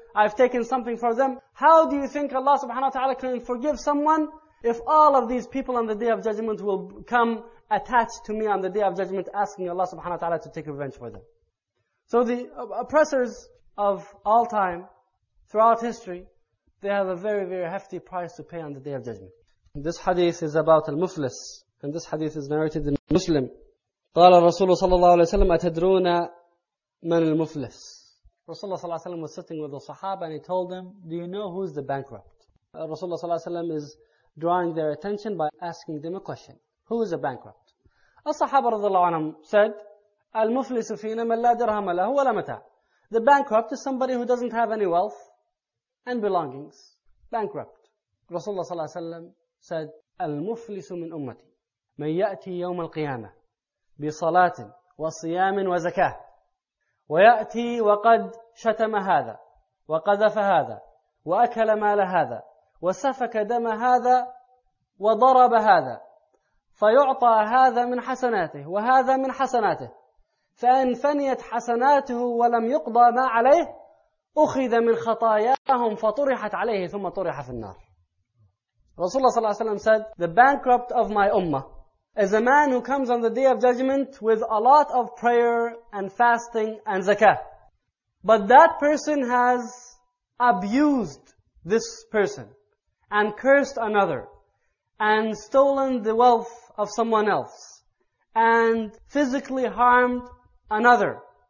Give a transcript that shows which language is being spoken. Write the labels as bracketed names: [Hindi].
[English] I've taken something from them. How do you think Allah subhanahu wa ta'ala can forgive someone if all of these people on the Day of Judgment will come attached to me on the Day of Judgment asking Allah subhanahu wa ta'ala to take revenge for them? So the oppressors of all time, throughout history, they have a very, very hefty price to pay on the Day of Judgment. This hadith is about al-muflis. And this hadith is narrated in Muslim. [Arabic] قال الرسول صلى الله عليه وسلم أتدرون من المفلس. [English] Rasulullah صلى الله عليه وسلم was sitting with the Sahaba and he told them, do you know who's the bankrupt? Rasulullah صلى الله عليه وسلم is drawing their attention by asking them a question. Who is a bankrupt? [Arabic] الصحابة رضي الله عنهم said, المفلس فينا من لا درهم له ولا متاع. [English] The bankrupt is somebody who doesn't have any wealth and belongings. Bankrupt. [Arabic] Rasulullah صلى الله عليه وسلم said, المفلس من أمتي من يأتي يوم القيامة بصلاة وصيام وزكاة ويأتي وقد شتم هذا وقذف هذا وأكل مال هذا وسفك دم هذا وضرب هذا فيعطى هذا من حسناته وهذا من حسناته فإن فنيت حسناته ولم يقضى ما عليه أخذ من خطاياهم فطرحت عليه ثم طرح في النار. [English] Rasulullah sallallahu alayhi wa sallam said, the bankrupt of my ummah is a man who comes on the day of judgment with a lot of prayer and fasting and zakah. But that person has abused this person and cursed another and stolen the wealth of someone else and physically harmed another.